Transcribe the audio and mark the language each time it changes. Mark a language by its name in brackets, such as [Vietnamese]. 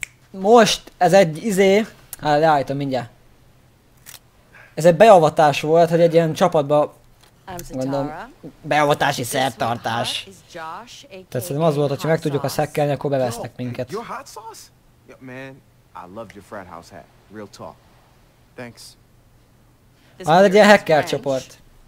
[Hungarian] Most ez egy hát leállítom mindjárt. Ez egy beavatás volt, hogy egy ilyen csapatba gondolom, beavatási szertartás. Tehát szerintem az volt, hogy meg tudjuk a szekkelni, akkor bevesznek minket. [English] Your hot sauce? Yeah, man, I loved your frat house hat. Real talk. Thanks. [Hungarian] Ez egy ilyen hacker csoport.